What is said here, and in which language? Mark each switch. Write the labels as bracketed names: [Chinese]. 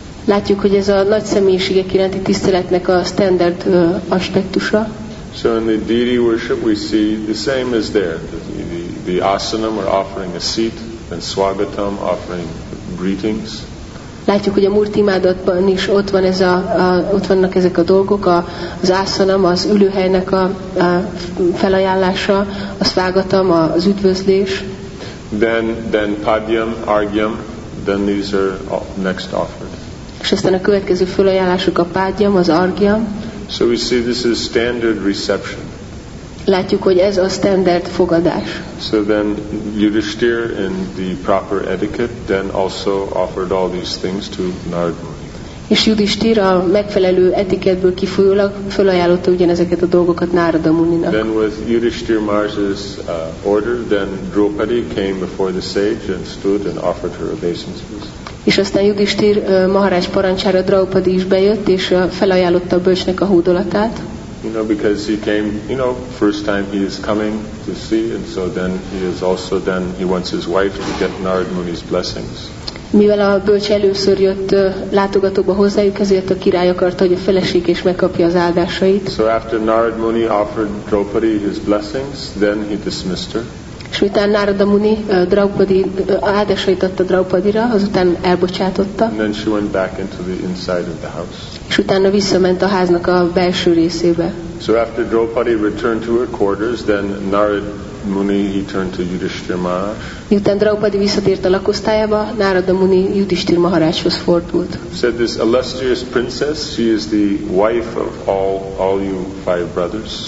[Hungarian] Látjuk, hogy ez a nagy személyiségek iránti tiszteletnek a standard aspektusa. [English] So in the deity worship we see the same as there. The asanam or offering a seat and swagatam offering greetings. [Hungarian] Látjuk, hogy a murti imádatban is ott van ez ott vannak ezek a dolgok, az ászanam, az ülőhelynek a felajánlása, a svágatam, az üdvözlés. [English] Then padyam, argyam, then these are next offered. [Hungarian] És aztán a következő felajánlásuk a padyam, az argyam. [English] So we see this is standard reception. [Hungarian] Látjuk, hogy ez a standard fogadás. [English] So then Yudhishthir in the proper etiquette then also offered all these things to Narad Muni. [Hungarian] És Yudhishthir a megfelelő etikettből kifolyólag felajánlotta ugyanezeket a dolgokat Narada Muninak. [English] Then with Yudhishthir Maharaj's order then Draupadi came before the sage and stood and offered her obeisances. [Hungarian] És aztán Yudhishthir Maharaj parancsára Draupadi is bejött és felajánlotta a bölcsnek a hódolatát. [English] You know, because he came, first time he is coming to see, and so then he wants his wife to get Narad Muni's blessings. [Hungarian] Mivel a bölcs először jött látogatóba hozzájuk, ezért a király akarta, hogy a feleség is megkapja az áldásait. [English] So after Narad Muni offered Draupadi his blessings, then he dismissed her. [Hungarian] És miután Narada Muni Draupadi áldásait adta Draupadira, azután elbocsátotta. [English] And then she went back into the inside of the house. [Hungarian] És utána visszament a háznak a belső részébe. [English] So after Draupadi returned to her quarters, then Narad Muni he turned to Yudhishthir Maharaj. [Hungarian] Miután Draupadi visszatért a lakosztályába, Narada Muni Yudhishthir Maharajhoz fordult. [English] Said this illustrious princess, she is the wife of all you five brothers.